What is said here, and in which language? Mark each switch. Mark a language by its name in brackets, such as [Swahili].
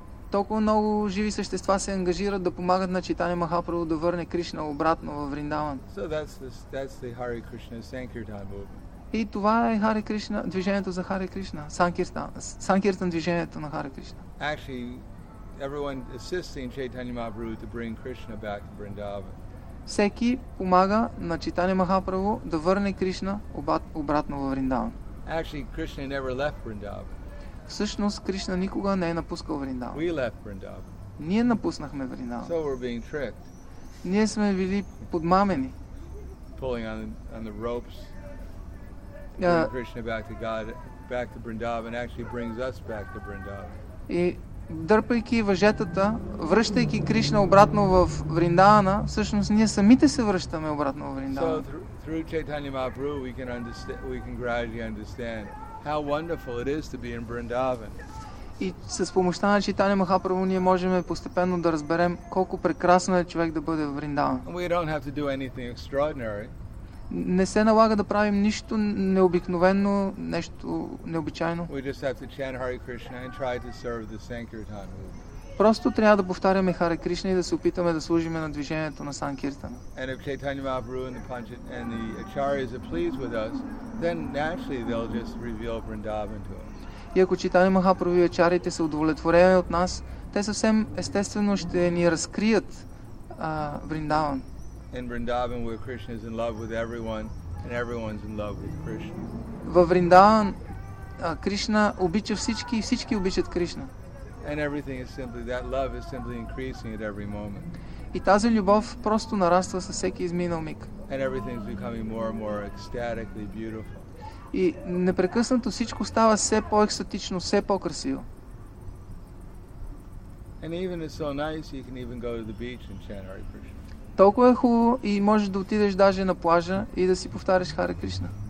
[Bulgarian] Толкова много живи същества се ангажират да помагат на Чайтанья Махапрабху да върне Кришна обратно във Вриндаван. [English] So that's the Hare Krishna Sankirtan movement. [Bulgarian] И това е Hare Krishna, движението за Hare Krishna, Sankirtan движението на Hare Krishna. [English] Actually, everyone assisting Chaitanya Mahaprabhu to bring Krishna back to Vrindavan. [Bulgarian] Всеки помага на Чайтанья Махапрабху да върне Кришна обратно във Вриндаван. [English] Actually, Krishna never left Vrindavan. [Bulgarian] Всъщност Кришна никога не е напускал Вриндаван. [English] We left Vrindavan. [Bulgarian] Ние напуснахме Вриндаван. [English] So we're being tricked. [Bulgarian] Ние сме били подмамени. [English] Pulling on the ropes. Krishna back to God, back to Vrindavan, actually brings us back to Vrindavan. [Bulgarian] И дърпайки въжетата, връщайки Кришна обратно в Вриндавана, всъщност ние самите се връщаме обратно в Вриндаван. [English] So through Chaitanya Mahaprabhu we can gradually understand how wonderful it is to be in Vrindavan. [Bulgarian] И с помощта на Чайтанья Махапрабху ние можем постепенно да разберем колко прекрасно е човек да бъде в Вриндаван. [English] We don't have to do anything extraordinary. [Bulgarian] не се налага да правим нищо необикновено, нещо необичайно. [English] We just have to chant Hare Krishna and try to serve the Sankirtan movement. [Bulgarian] Просто трябва да повтаряме Харе Кришна и да се опитаме да служим на движението на Санкиртана. [English] And if Chaitanya Mahaprabhu and the Panchit and the Acharyas are pleased with us, then naturally they'll just reveal Vrindavan to us. [Bulgarian] И ако Чайтанья Махапрабху и Ачарите са удовлетворени от нас, те съвсем естествено ще ни разкрият Вриндаван. [English] In Vrindavan where Krishna is in love with everyone and everyone's in love with Krishna. [Bulgarian] Във Вриндаван Кришна обича всички и всички обичат Кришна. [English] And everything is simply that love is simply increasing at every moment. [Bulgarian] И тази любов просто нараства със всеки изминал миг. [English] And everything is becoming more and more ecstatically beautiful. [Bulgarian] И непрекъснато всичко става все по-екстатично, все по-красиво. [English] And even it's so nice you can even go to the beach and chant Hare Krishna. [Bulgarian] Толкова е хубаво и можеш да отидеш даже на плажа и да си повтаряш Харе Кришна.